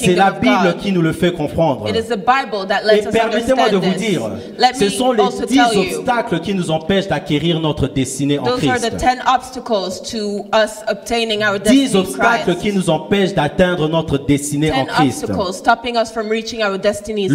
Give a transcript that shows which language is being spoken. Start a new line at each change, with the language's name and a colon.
French: c'est la Bible qui nous le fait comprendre.
English: It is the Bible that lets
French: et permettez-moi de vous dire, ce sont les 10 obstacles qui nous empêchent d'acquérir notre destinée en Christ.
English: Those are the 10 obstacles to us obtaining our
French: destiny 10 obstacles qui nous empêchent d'atteindre notre destinée en Christ.
English: Obstacles stopping us from reaching our destinies in